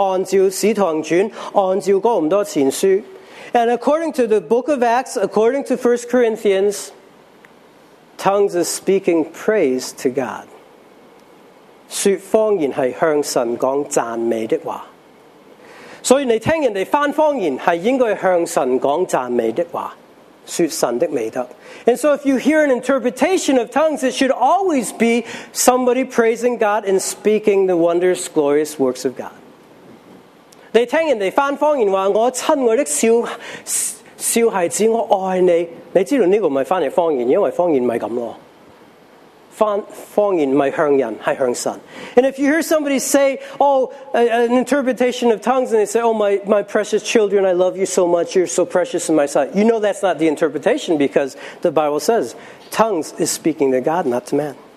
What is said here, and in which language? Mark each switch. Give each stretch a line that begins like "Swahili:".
Chinese: 翻方言的信息按照使徒行传，按照哥林多前书。
English: And according to the book of Acts, according to 1 Corinthians, tongues is speaking praise to God.
Chinese: 说方言是向神讲赞美的话。所以你听人家翻方言是应该向神讲赞美的话，说神的美德。
English: And so if you hear an interpretation of tongues, it should always be somebody praising God and speaking the wondrous, glorious works of God.
Chinese: 你听人家翻方言说，我亲我的小孩子，我爱你，你知道这个不是翻译方言，因为方言不是这样。方言不是向人，是向神。
English: And if you hear somebody say, oh, an interpretation of tongues, and they say, oh, my precious children, I love you so much, you're so precious in my sight. You know that's not the interpretation, because the Bible says, tongues is speaking to God, not to man.